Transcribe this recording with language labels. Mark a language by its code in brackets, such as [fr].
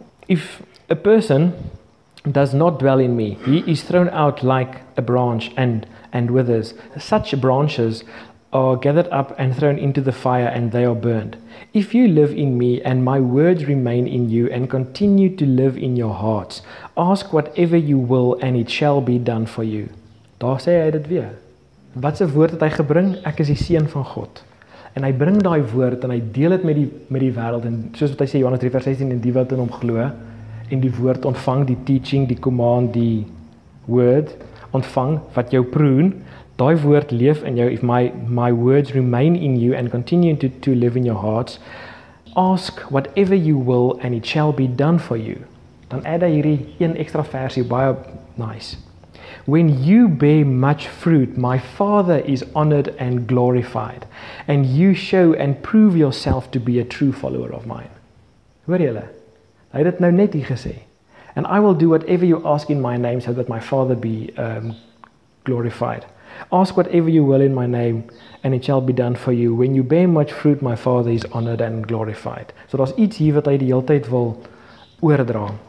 [en] If a person does not dwell in me, he is thrown out like a branch and withers. Such branches are gathered up and thrown into the fire and they are burned. If you live in me and my words remain in you and continue to live in your hearts, ask whatever you will and it shall be done for you. [af] Daar sê hy dit weer. Wat 'n woord het hy gebring? Ek is die seun van God. En hy bring daai woord en hy deel dit met die wêreld en soos wat hy sê Johannes 3 vers 16 en die wat in hom glo en die woord ontvang, die teaching, die command, die word ontvang wat jou prune. Daai woord leef in jou, [en] if my words remain in you and continue to live in your hearts, ask whatever you will and it shall be done for you. [af] Dan add hy hierdie een extra versie, baie nice. [en] When you bear much fruit, my Father is honored and glorified, and you show and prove yourself to be a true follower of mine. [af] Hoor julle? Hy het dit nou net hier gesê. [en] And I will do whatever you ask in my name so that my Father be glorified. Ask whatever you will in my name, and it shall be done for you. When you bear much fruit, my Father is honored and glorified. [af] So daar's iets hier wat hy die hele tyd wil oordra.